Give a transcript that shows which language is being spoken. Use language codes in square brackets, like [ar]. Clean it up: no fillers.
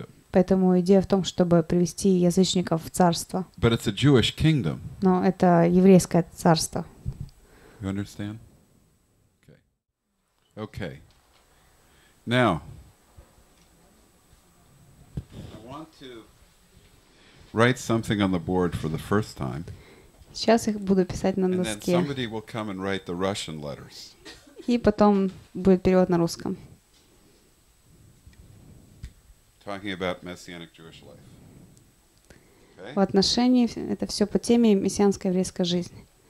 [ru] Поэтому идея в том, чтобы привести язычников в царство. [en] But it's a Jewish kingdom. [ru] Но это еврейское царство. [en] You understand? Okay. Okay. Now, I want to write something on the board for the first time. [ru] Сейчас их буду писать на доске. [en] And then somebody will come and write the Russian letters. [ru] И потом будет перевод на русском. [en] Talking about messianic Jewish life. Okay. [ru] В отношении, это все по теме мессианской еврейской жизни.